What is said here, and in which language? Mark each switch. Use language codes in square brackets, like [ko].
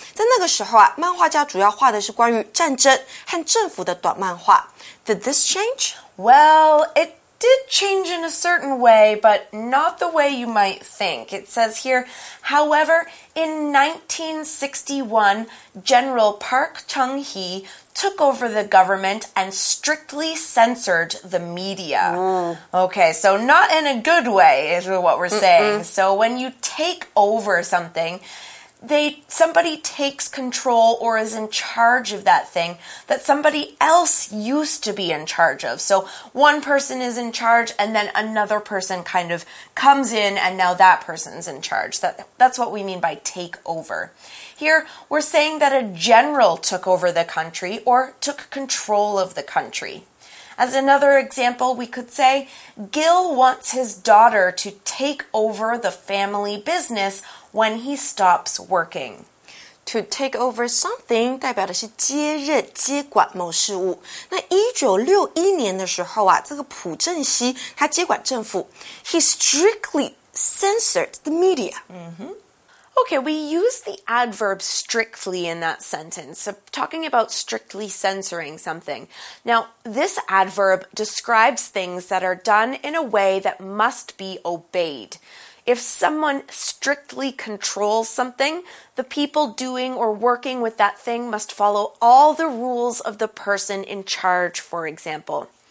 [zh] 在那个时候啊，漫画家主要画的是关于战争和政府的短漫画。 [en] Did this change? Well, it did change in a certain way, but not the way you might think. It says here, however, in 1961, General Park Chung-hee took over the government and strictly censored the media. Mm. Okay, so not in a good way is what we're saying. Mm-mm. So when you take over something, somebody takes control or is in charge of that thing that somebody else used to be in charge of. So one person is in charge and then another person kind of comes in and now that person's in charge. That's what we mean by take over. Here, we're saying that a general took over the country or took control of the country. As another example, we could say, Gil wants his daughter to take over the family business when he stops working. To take over something [zh] 代表的是接任、接管某事物。那1961年的时候啊，这个朴正熙他接管政府。 [en] He strictly censored the media. Okay, we use the adverb strictly in that sentence, so talking about strictly censoring something. Now, this adverb describes things that are done in a way that must be obeyed. If someone strictly controls something, the people doing or working with that thing must follow all the rules of the person in charge, for example.